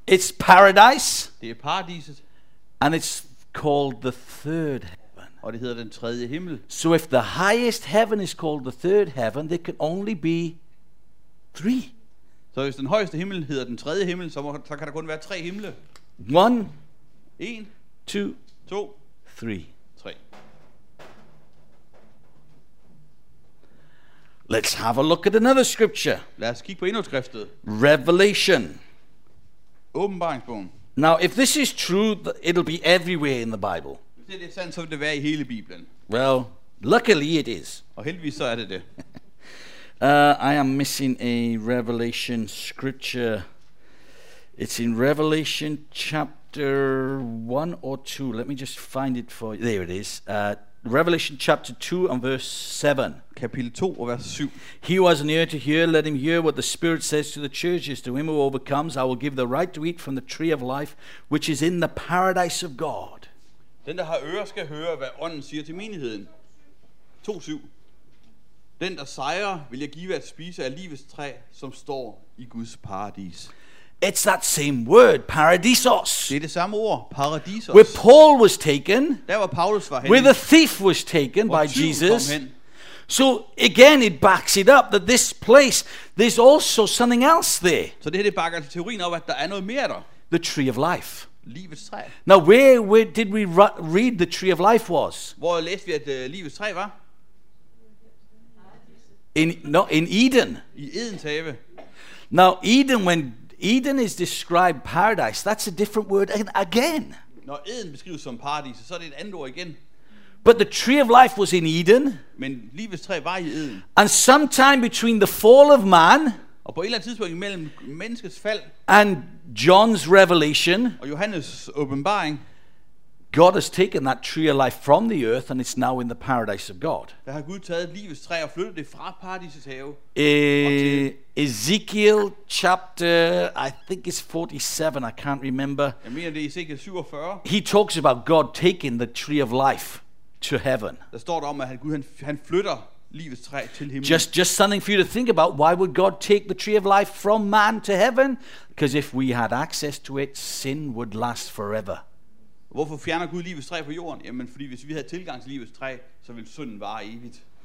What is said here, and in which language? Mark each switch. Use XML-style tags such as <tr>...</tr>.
<en>It's paradise.</en> <da>Det er paradiset.</da> <en>And it's called the third heaven.</en> <da>Og det hedder den tredje himmel.</da> <en>So if the highest heaven is called the third heaven, there can only be three.</en> <da>Så hvis den højeste himmel hedder den tredje himmel, så kan der kun være tre himle.</da> <en>One.</en> <da>En.</da> <en>Two.</en> <da>To.</da> <en>Three.</en> <da>Tre.</da> <en>Let's have a look at another scripture.</en> <da>Lad os kigge på endnu skriftet.</da> <en>Revelation.</en> <da>Åbenbaringsbogen.</da> <en>Now, if this is true, it'll be everywhere in the Bible.</en> <da>Hvis det er sandt, så vil det være i hele Bibelen.</da> <en>Well, luckily it is.</en> <da>Og heldigvis så er det det.</da> <en>I am missing a Revelation scripture. It's in Revelation chapter 1 or 2. Let me just find it for you. There it is. Revelation chapter 2 and verse 7.</en> <da>Kapitel 2 og vers 7.</da> <en>He who has an ear to hear, let him hear what the Spirit says to the churches. To him who overcomes, I will give the right to eat from the tree of life, which is in the paradise of God.</en> <da>Den der har ører skal høre, hvad ånden siger til menigheden. 2:7. Den der sejrer vil jeg give at spise af livets træ, som står i Guds paradis.</da> <en>It's that same word, paradisos.</en> <da>Det er det samme ord, paradisos.</da> <en>Where Paul was taken.</en> <da>Der var Paulus var hen.</da> <en>Where the thief was taken by Jesus. So again, it backs it up that this place, there's also something else there.</en> <da>Så det her, det bakker til teorien op, at der er noget mere der.</da> <en>The tree of life.</en> <da>Livets træ.</da> <en>Now where did we read the tree of life was?</en> <da>Hvor læste vi at livets træ var?</da> <en>In Eden.</en> <da>I Edens have.</da> <en>Now Eden, when Eden is described paradise, that's a different word again.</en> <da>Når Eden beskrives som paradis, så er det et andet ord igen.</da> <en>But the tree of life was in Eden.</en> <da>Men livets træ var i Eden.</da> <en>And sometime between the fall of man.</en> <da>Og på et eller andet tidspunkt mellem menneskets fald.</da> <en>And John's revelation.</en> <da>Og Johannes åbenbaring.</da> <en>God has taken that tree of life from the earth and it's now in the paradise of God.</en> <da>Der har Gud taget livets træ og flyttet det fra paradisets have.</da> <en>Ezekiel chapter, I think it's 47, I can't remember.</en> <da>Jeg mener det er Ezekiel 47.</da> <en>He talks about God taking the tree of life to heaven.</en> <da>Der står der om at Gud han flytter livets træ til himlen.</da> <en>Just something for you to think about. Why would God take the tree of life from man to heaven? Because if we had access to it, sin would last forever.</en> <da>Hvorfor fjerner Gud livets træ fra jorden? Jamen fordi hvis vi havde tilgang til livets træ, så ville synden vare evigt.</da>